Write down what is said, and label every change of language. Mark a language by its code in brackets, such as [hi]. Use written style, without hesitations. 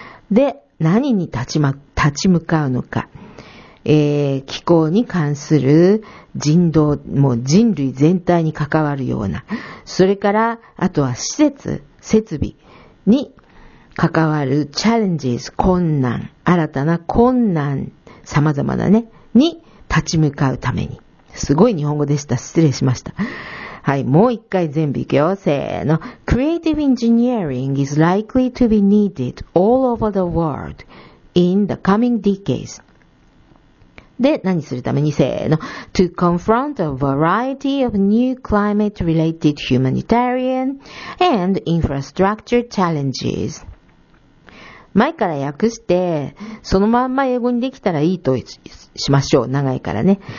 [ja] で、何に立ち向かうのか。気候に関する人道、もう人類全体に関わるような。それから、あとは施設、設備に関わるチャレンジーズ、困難、新たな困難、様々なね、に立ち向かうために。すごい日本語でした。失礼しました。もう一回全部いくよ。せーの。 [en] Creative engineering is likely to be needed all over the world in the coming decades. [ja] で、何するために、せーの。 [en] To confront a variety of new climate-related humanitarian and infrastructure challenges。 [ja] 前から訳して、そのまんま英語にできたらいいとしましょう。長いからね。